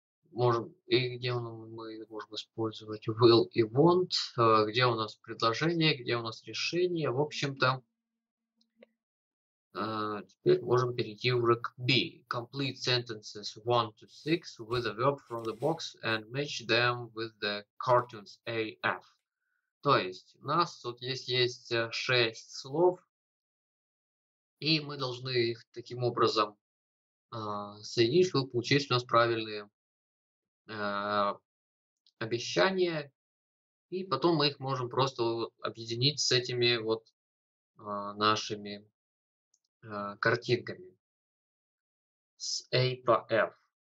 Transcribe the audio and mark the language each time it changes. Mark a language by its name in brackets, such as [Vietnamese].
[Russian] Можем, и где мы можем использовать will и want, где у нас предложение, где у нас решение, в общем-то. Теперь можем перейти уже к B. [English] Complete sentences 1 to 6 with a verb from the box and match them with the cartoons AF. [Russian] То есть у нас тут здесь есть 6 слов, и мы должны их таким образом соединить, чтобы получить у нас правильные обещания, и потом мы их можем просто объединить с этими вот нашими картинками с A по F.